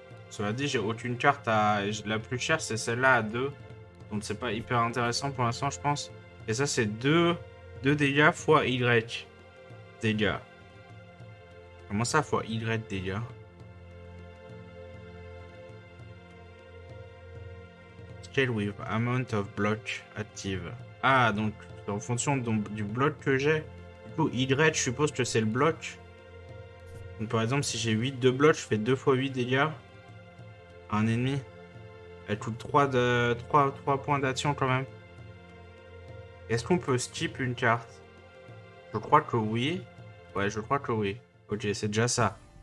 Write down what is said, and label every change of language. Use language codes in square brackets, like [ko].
[fr] Cela dit, j'ai aucune carte à. La plus chère, c'est celle-là à 2. Donc, c'est pas hyper intéressant pour l'instant, je pense. Et ça, c'est 2 dégâts fois Y. Dégâts. Comment ça, fois Y dégâts? [en] Scale with amount of block active. [fr] Ah, donc, en fonction du bloc que j'ai. Du coup, Y, je suppose que c'est le bloc. Donc, par exemple, si j'ai 8 de bloc, je fais 2 fois 8 dégâts. Un ennemi. Elle coûte 3 points d'action quand même. Est-ce qu'on peut skip une carte? Je crois que oui. Ouais, je crois que oui. Ok, c'est déjà ça.